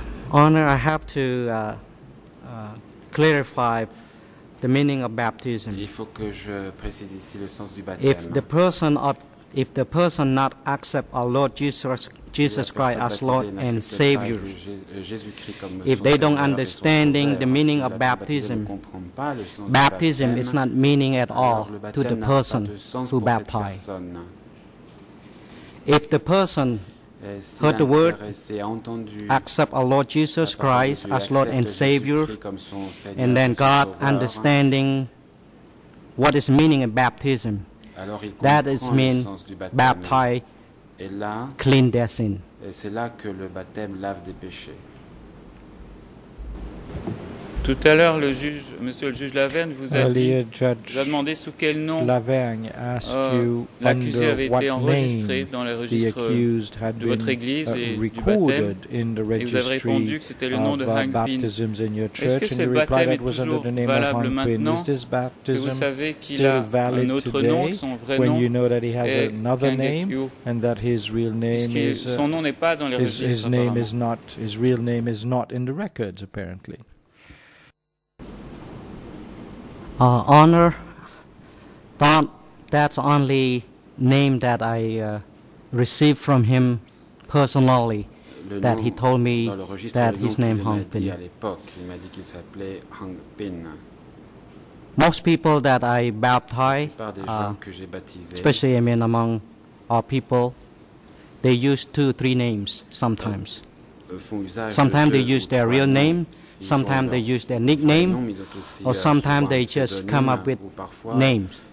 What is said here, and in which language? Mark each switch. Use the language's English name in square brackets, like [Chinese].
[English] Honor, I have to clarify the meaning of baptism. [French] Il faut que je précise ici le sens du baptême. [English] If the person not accept our Lord Jesus Christ as Lord and Savior, if they don't understand the meaning of baptism, baptism is not meaning at all to the person who baptized. If the person heard the word, accept our Lord Jesus Christ as Lord and Savior, and then God understanding what is meaning of baptism, that is mean baptize, clean their sin. [French] C'est là que le baptême lave des péchés. Tout à l'heure, le juge, monsieur le juge Lavergne, vous a dit, vous a demandé sous quel nom l'accusé avait été enregistré dans les registres de votre église et du baptême. Et vous avez répondu que c'était le nom de Hang Pin. Est-ce que ce baptême est toujours valable maintenant et vous savez qu'il a un autre nom, son vrai nom [English] you know [French] est Hang Pin, [English] and that his real name is, [French] son nom n'est pas dans les registres. [English] His name is not, his real name is not in the records, apparently. Honor, that's only name that I received from him personally, that he told me that his name Hang Pin. [French] À l'époque, il m'a dit qu'il s'appelait Hang Pin. [English] Most people that I baptize, especially I mean among our people, they use two, three names sometimes. Sometimes they use their real name. Sometimes they use their nickname, or sometimes they just come up with names.